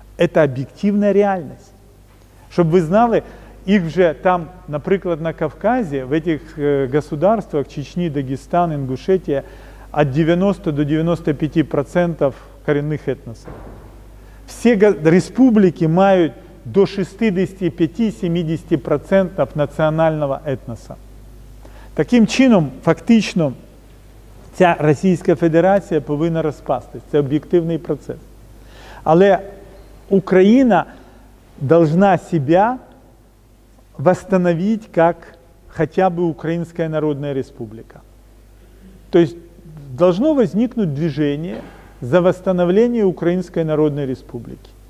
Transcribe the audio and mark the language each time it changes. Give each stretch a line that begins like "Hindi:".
Russian: Это объективная реальность. Чтобы вы знали, их же там, например, на Кавказе, в этих государствах, Чечни, Дагестан, Ингушетия, от 90 до 95% коренных этносов. Все республики мают до 65-70% национального этноса.
Ukrainian: Таким чином, фактично, ця Російська Федерація повинна розпастись. Це об'єктивний процес. Але Україна
Russian: должна себя восстановить как хотя бы Украинская Народная Республика. То есть должно возникнуть движение за восстановление Украинской Народной Республики.